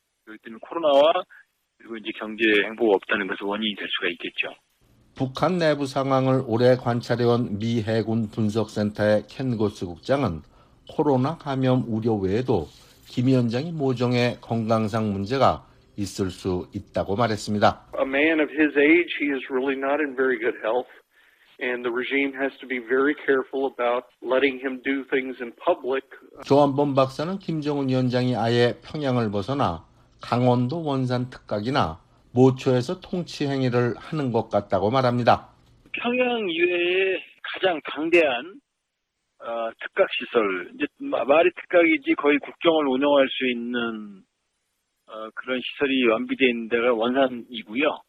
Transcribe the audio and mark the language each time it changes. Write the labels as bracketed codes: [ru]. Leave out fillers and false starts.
[ko] 그렇기 때문에 코로나와 그리고 이제 경제 행보가 없다는 것은 원인이 될 수가 있겠죠. 북한 내부 상황을 오래 관찰해온 미 해군 분석센터의 켄 고스 국장은 코로나 감염 우려 외에도 김 위원장이 모종의 건강상 문제가 있을 수 있다고 말했습니다. [en] A man of his age, he is really not in very good health. And the regime has to be very careful about letting him do things in public. [ko] 조한범 박사는 김정은 위원장이 아예 평양을 벗어나 강원도 원산 특각이나 모초에서 통치 행위를 하는 것 같다고 말합니다. 평양 이외에 가장 강대한 특각 시설, 이제 말이 특각이지 거의 국정을 운영할 수 있는 그런 시설이 완비되어 있는 데가 원산이고요.